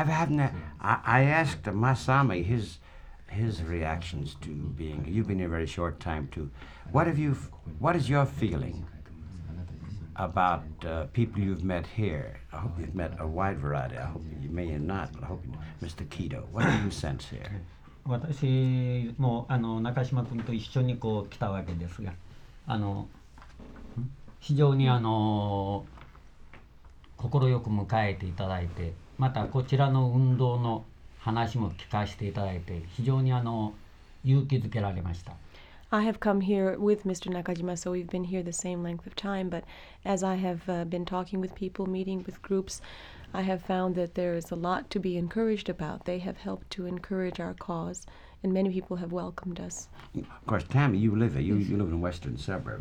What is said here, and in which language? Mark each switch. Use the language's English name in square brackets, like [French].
[English] I asked Masami his reactions to being, you've been here a very short time too. What is your feeling about people you've met here? I hope you've met a wide variety. I hope you may not, but I hope you know. Mr. Kido, what do you sense here? [Japanese] 私もあの中島君と一緒にこう来たわけですが、あの非常にあの心よく迎えていただいて、またこちらの運動の話も聞かせていただいて、非常にあの勇気づけられました。 [English] I have come here with Mr. Nakajima, so we've been here the same length of time, but as I have been talking with people, meeting with groups, I have found that there is a lot to be encouraged about. They have helped to encourage our cause, and many people have welcomed us. Of course, Tammy, you live here. You live in a western suburb.